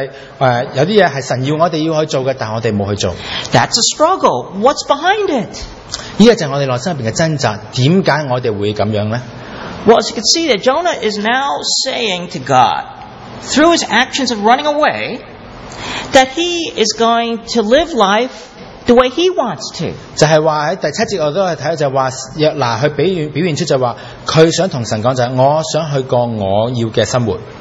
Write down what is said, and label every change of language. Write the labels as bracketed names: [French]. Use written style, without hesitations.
[Chinese] 我们每人都是一样的，有些事是神要我们去做的，但我们没有去做。 [English] That's a struggle. What's behind it? [Chinese] 这就是我们内心里面的挣扎，为什么我们会这样呢？ [English] Well, as you can see, that Jonah is now saying to God, through his actions of running away, that he is going to live life the way he wants to. [Chinese] 就是说，在第七节我都看到，就是说，约拿他表现出就是说，他想跟神讲，就是我想去过我要的生活。